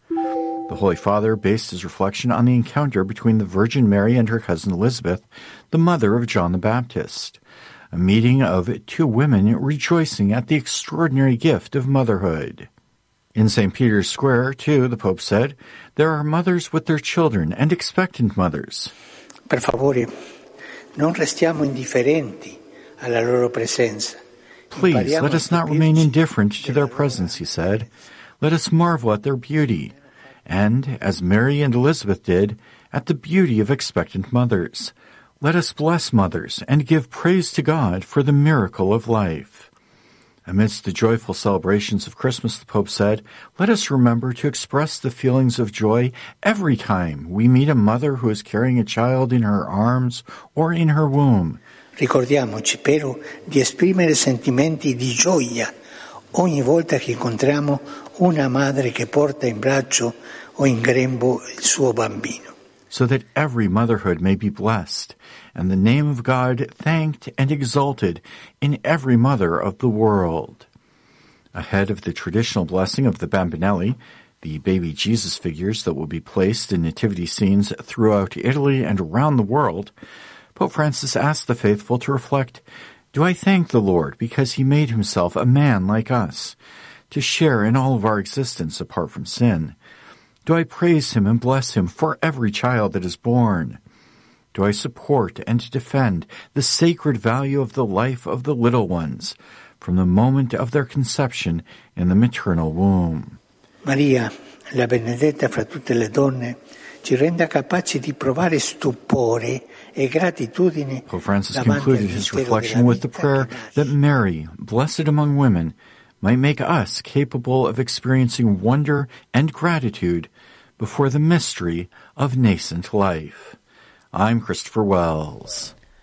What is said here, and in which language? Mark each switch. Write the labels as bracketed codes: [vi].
[en] The Holy Father based his reflection on the encounter between the Virgin Mary and her cousin Elizabeth, the mother of John the Baptist, a meeting of two women rejoicing at the extraordinary gift of motherhood. In St. Peter's Square, too, the Pope said, there are mothers with their children and expectant mothers. [it] Per favore, non restiamo indifferenti alla loro presenza. [en] Please, let us not remain indifferent to their presence, he said. Let us marvel at their beauty, and, as Mary and Elizabeth did, at the beauty of expectant mothers. Let us bless mothers and give praise to God for the miracle of life. Amidst the joyful celebrations of Christmas, the Pope said, let us remember to express the feelings of joy every time we meet a mother who is carrying a child in her arms or in her womb. [it] Ricordiamoci però di esprimere sentimenti di gioia ogni volta che incontriamo una madre che porta in braccio o in grembo il suo bambino. [en] So that every motherhood may be blessed, and the name of God thanked and exalted in every mother of the world. Ahead of the traditional blessing of the Bambinelli, the baby Jesus figures that will be placed in nativity scenes throughout Italy and around the world, Pope Francis asked the faithful to reflect, do I thank the Lord because he made himself a man like us, to share in all of our existence apart from sin? Do I praise him and bless him for every child that is born? Do I support and defend the sacred value of the life of the little ones from the moment of their conception in the maternal womb? [it] Maria, la benedetta fra tutte le donne, ci renda capaci di provare stupore e gratitudine. [en] Pope Francis concluded his reflection with the prayer that Mary, blessed among women, might make us capable of experiencing wonder and gratitude before the mystery of nascent life. I'm Christopher Wells.